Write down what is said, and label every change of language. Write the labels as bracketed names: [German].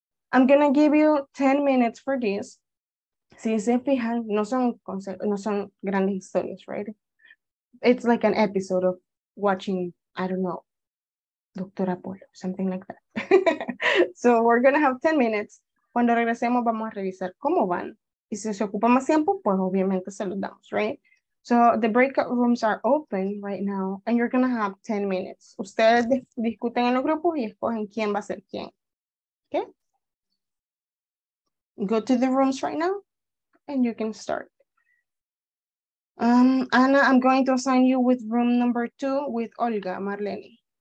[English] I'm going to give you 10 minutes for this. [Spanish] Si se fijan, no son grandes historias, [English] right? It's like an episode of watching, I don't know, Doctor Apollo, something like that. So we're going to have 10 minutes. [Spanish] Cuando regresemos, vamos a revisar cómo van. Y si se ocupa más tiempo, pues obviamente se los damos, right? [English] So the breakout rooms are open right now, and you're going to have 10 minutes. [Spanish] Ustedes discuten en los grupos y escogen quién va a ser quién. [English] Okay? Go to the rooms right now, and you can start. Ana, I'm going to assign you with room number 2 with Olga, Marlene.